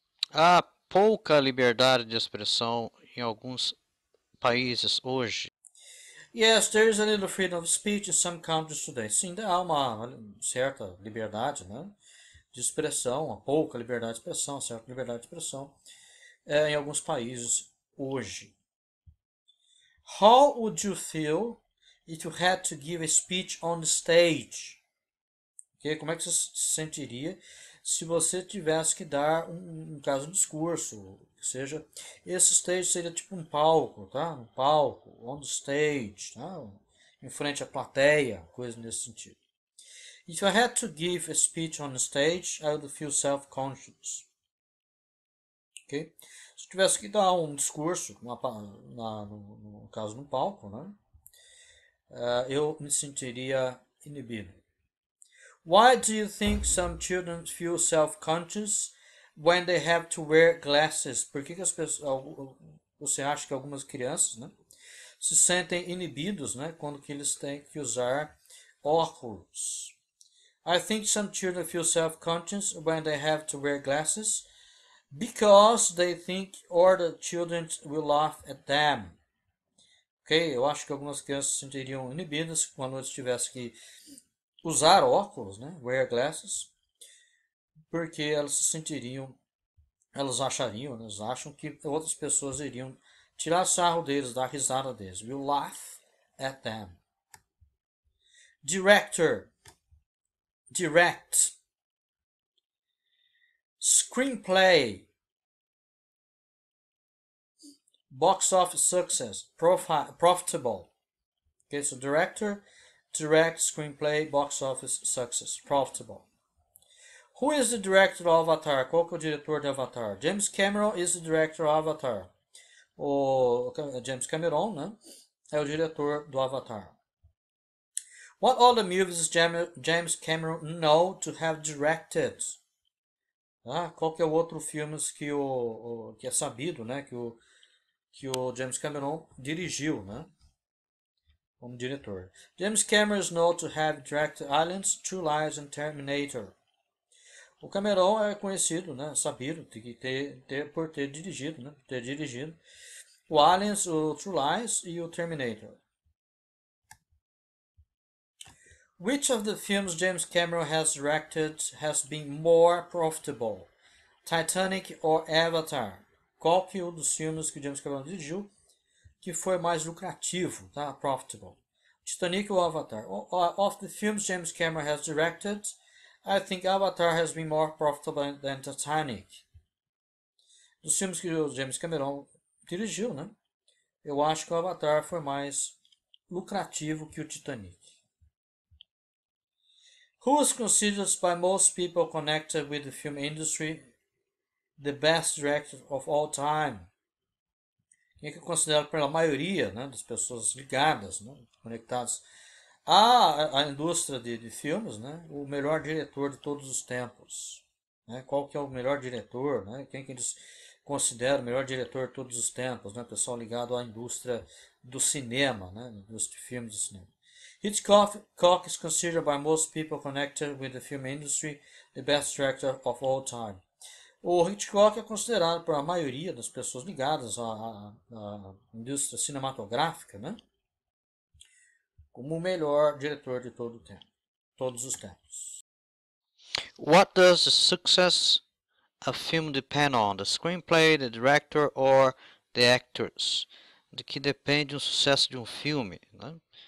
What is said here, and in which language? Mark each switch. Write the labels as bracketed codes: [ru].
[pt] Ah, pouca liberdade de expressão em alguns países hoje. [en] Yes, there is a little freedom of speech in some countries today. [pt] Sim, há uma certa liberdade, né, de expressão, uma pouca liberdade de expressão, certa liberdade de expressão em alguns países hoje. [en] How would you feel if you had to give a speech on the stage? Okay? [pt] Como é que você se sentiria se você tivesse que dar um caso de discurso? Ou seja, esse stage seria tipo um palco, tá? Um palco, [en] on the stage, [pt] tá? Em frente à plateia, coisa nesse sentido. [en] If I had to give a speech on the stage, I would feel self-conscious. Okay? [pt] Se tivesse que dar um discurso, no caso no palco, né? Eu me sentiria inibido. [en] Why do you think some children feel self-conscious when they have to wear glasses? [pt] Por que que as pessoas, você acha que algumas crianças, né, se sentem inibidos, né, quando que eles têm que usar óculos? [en] I think some children feel self-conscious when they have to wear glasses because they think other children will laugh at them. Okay? [pt] Eu acho que algumas crianças se sentiriam inibidas quando eles tivessem que usar óculos, né? [en] Wear glasses, [pt] porque elas se sentiriam, elas achariam, elas acham que outras pessoas iriam tirar sarro deles, dar risada deles. [en] Will laugh at them. Director. Direct. Screenplay. Box office success. Profitable. Okay, so director, direct, screenplay, box office success. Profitable. Who is the director of Avatar? [pt] Qual que é o diretor de Avatar? [en] James Cameron is the director of Avatar. [pt] O James Cameron, né? É o diretor do Avatar. [en] What other movies James Cameron know to have directed? [pt] Ah, qual que é o outro filme que que é sabido, né? Que o James Cameron dirigiu, né? Como diretor. [en] James Cameron is known to have directed Aliens, True Lies and Terminator. [pt] O Cameron é conhecido, né? Sabido, tem que ter dirigido, né? Ter dirigido o Aliens, o True Lies e o Terminator. [en] Which of the films James Cameron has directed has been more profitable? Titanic or Avatar? [pt] Qual que é um dos filmes que James Cameron dirigiu que foi mais lucrativo, tá? Profitable. Titanic ou Avatar? [en] Of the films James Cameron has directed, I think Avatar has been more profitable than Titanic. [pt] Dos filmes que o James Cameron dirigiu, né? Eu acho que o Avatar foi mais lucrativo que o Titanic. [en] Who is considered by most people connected with the film industry the best director of all time? [pt] Quem é que é considerado pela maioria, né, das pessoas ligadas, né, conectadas à indústria de filmes, né, o melhor diretor de todos os tempos? Né? Qual que é o melhor diretor? Né? Quem é que eles consideram o melhor diretor de todos os tempos? Né? Pessoal ligado à indústria do cinema, né, indústria de filmes e cinema. [en] Hitchcock is considered by most people connected with the film industry the best director of all time. [pt] O Hitchcock é considerado por a maioria das pessoas ligadas à indústria cinematográfica, né, como o melhor diretor de todo o tempo, todos os tempos. [en] What does the success of a film depend on? The screenplay, the director or the actors? [pt] De que depende o sucesso de um filme, né?